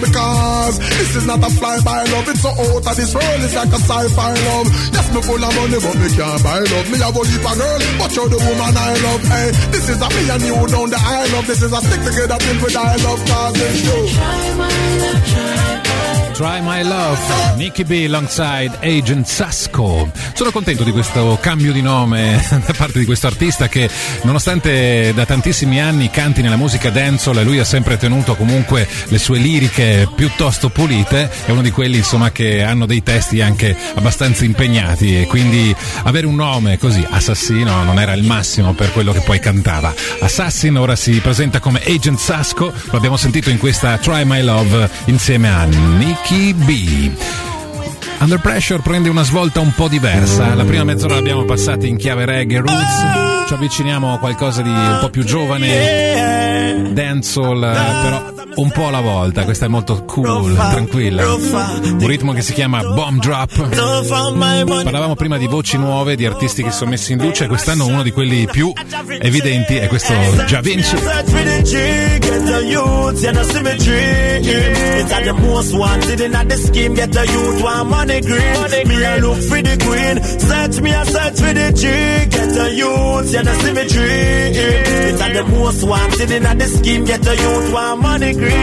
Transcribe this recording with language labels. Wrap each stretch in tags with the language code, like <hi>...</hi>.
<en>Because this is not a fly-by love. It's so out of this world, it's like a sci-fi love. Yes, me full of money, but me can't buy love. Me have a leap of girl, but you're the woman I love. Hey, this is a me and you down the aisle of. This is a stick together thing with I love, cause it's you. Try My Love, Nicky B alongside Agent Sasko.</en> <it>Sono contento di questo cambio di nome da parte di questo artista che, nonostante da tantissimi anni canti nella musica dancehall, lui ha sempre tenuto comunque le sue liriche piuttosto pulite. È uno di quelli, insomma, che hanno dei testi anche abbastanza impegnati, e quindi avere un nome così, Assassino, non era il massimo per quello che poi cantava. Assassin ora si presenta come Agent Sasko, lo abbiamo sentito in questa Try My Love insieme a Nicky B. Under Pressure prende una svolta un po' diversa. La prima mezz'ora l'abbiamo passata in chiave reggae roots. Ci avviciniamo a qualcosa di un po' più giovane, dancehall, però un po' alla volta. Questa è molto cool, tranquilla. Un ritmo che si chiama Bomb Drop. Parlavamo prima di voci nuove, di artisti che sono messi in luce. Quest'anno uno di quelli più evidenti è questo Javinci.</it> <en>energy. Get a youth, you know, symmetry. It's at the most wanted in at the scheme. Get a youth, one money green. Me a look for the queen. Search me a search for the G. Get a youth, you know, symmetry. It's at the most wanted in at the scheme. Get a youth, one money green.</en>